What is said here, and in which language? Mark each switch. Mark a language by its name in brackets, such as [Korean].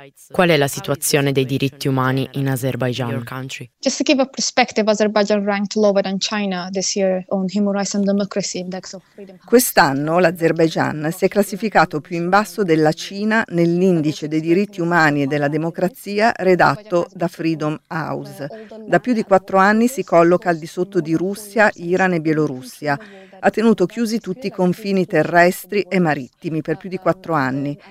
[Italian] Qual è la situazione dei diritti umani in Azerbaijan? [English] Just to give a perspective, Azerbaijan ranked lower than China this year on Human Rights and Democracy Index of Freedom. [Italian] Quest'anno l'Azerbaijan si è classificato più in basso della Cina nell'indice dei diritti umani e della democrazia redatto da Freedom House. Da più di 4 anni si colloca al di sotto di Russia, Iran e Bielorussia. Ha tenuto chiusi tutti i confini terrestri e marittimi per più di 4 anni.